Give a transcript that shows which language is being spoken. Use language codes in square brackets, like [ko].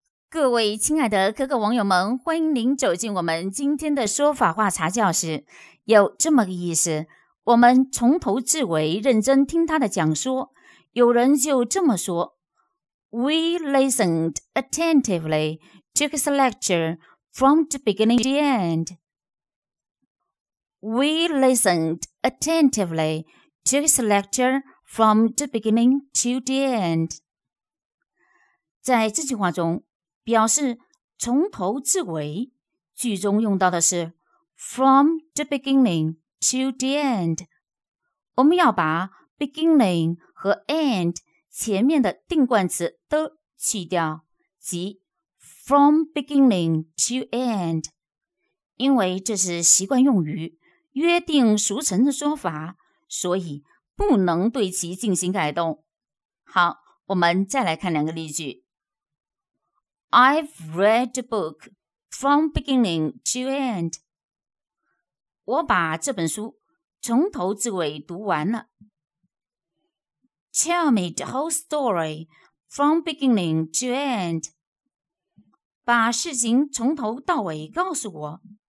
[zh] 各位亲爱的各个网友们，欢迎您走进我们今天的说法话茶教室。有这么个意思，我们从头至尾认真听他的讲说。有人就这么说， [en] We listened attentively to his lecture from the beginning to the end. We listened attentively to his lecture from the beginning to the end. [zh] 在这句话中表示从头至尾，句中用到的是 [en] from the beginning to the end。 [zh] 我们要把 beginning 和 end 前面的定冠词都去掉，即 [en] from beginning to end， [zh] 因为这是习惯用语、约定俗成的说法，所以不能对其进行改动。好，我们再来看两个例句。 [en] I've read the book from beginning to end. [zh] 我把这本书从头至尾读完了。 [en] Tell me the whole story from beginning to end. [zh] 把事情从头到尾告诉我。